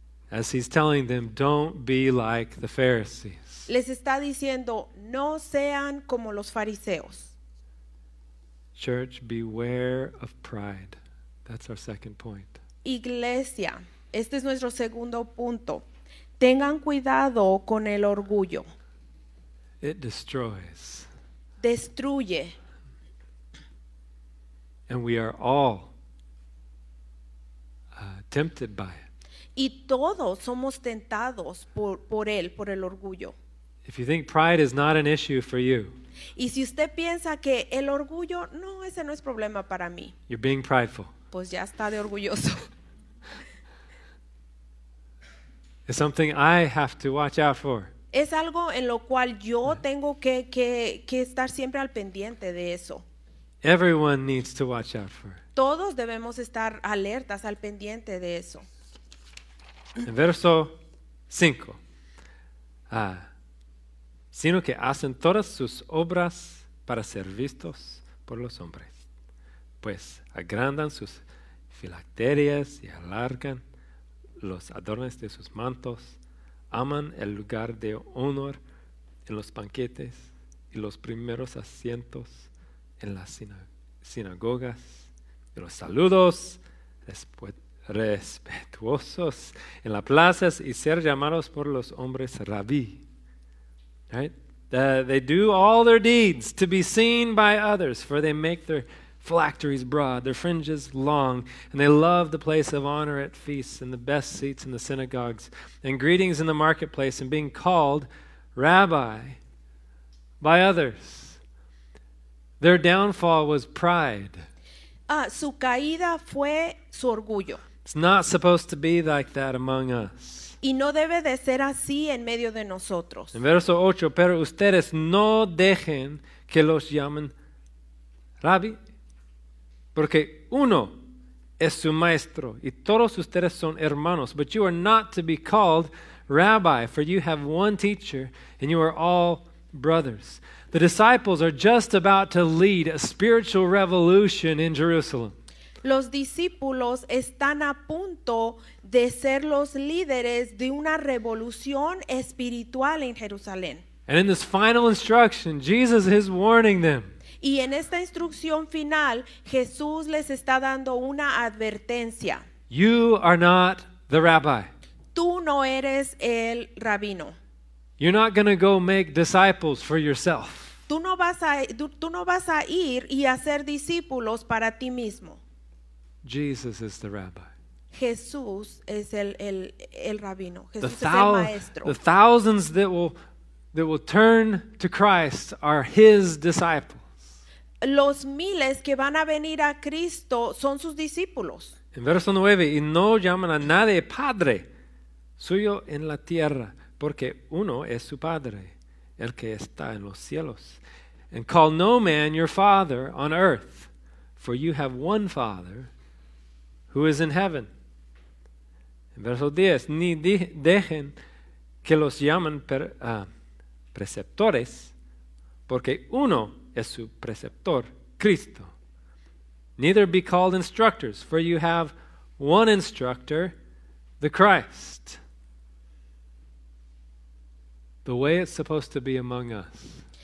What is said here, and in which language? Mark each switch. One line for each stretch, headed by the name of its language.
English: As he's telling them, don't be like the Pharisees.
Spanish: Les está diciendo, no sean como los fariseos.
English: Church, beware of pride. That's our second point.
Spanish: Iglesia, este es nuestro segundo punto. Tengan cuidado con el orgullo.
English: It destroys.
Spanish: Destruye.
English: And we are all tempted by it.
Spanish: Y todos somos tentados por él, por el orgullo.
English: If you think pride is not an issue for you,
Spanish: y si usted piensa que el orgullo, no, ese no es problema para mí,
English: you're being prideful.
Spanish: Pues ya está de orgulloso.
English: It's something I have to watch out for.
Spanish: Es algo en lo cual yo tengo que estar siempre al pendiente de eso.
English: Everyone needs to watch out for.
Spanish: Todos debemos estar alertas al pendiente de eso. En verso 5. Sino que hacen todas sus obras para ser vistos por los hombres. Pues agrandan sus filacterias y alargan los adornos de sus mantos. Aman el lugar de honor en los banquetes y los primeros asientos en las sinagogas. Y los saludos respetuosos en las plazas y ser llamados por los hombres rabí.
English: Right? They do all their deeds to be seen by others, for they make their phylacteries broad, their fringes long, and they love the place of honor at feasts and the best seats in the synagogues and greetings in the marketplace and being called rabbi by others. Their downfall was pride.
Spanish: Su caída fue su orgullo.
English: It's not supposed to be like that among us.
Spanish: Y no debe de ser así en medio de nosotros. En verso 8, pero ustedes no dejen que los llamen rabbi, porque uno es su maestro y todos ustedes son hermanos.
English: But you are not to be called rabbi, for you have one teacher and you are all brothers. The disciples are just about to lead a spiritual revolution in Jerusalem.
Spanish: Los discípulos están a punto de ser los líderes de una revolución espiritual en Jerusalén.
English: And in this final instruction, Jesus is warning them.
Spanish: Y en esta instrucción final, Jesús les está dando una advertencia.
English: You are not the rabbi.
Spanish: Tú no eres el rabino.
English: You're not going to go make disciples for yourself.
Spanish: Tú no vas a ir y hacer discípulos para ti mismo.
English: Jesus is the rabbi.
Spanish: Jesús es el rabino. Jesús es el maestro.
English: The thousands that will turn to Christ are his disciples.
Spanish: Los miles que van a venir a Cristo son sus discípulos. En verso 9, y no llaman a nadie padre suyo en la tierra, porque uno es su padre, el que está en los cielos.
English: And call no man your father on earth, for you have one father, who is in heaven.
Spanish: En verso 10, ni dejen que los llamen preceptores, porque uno es su preceptor, Cristo.
English: Neither be called instructors, for you have one instructor, the Christ. The way it's supposed to be among us.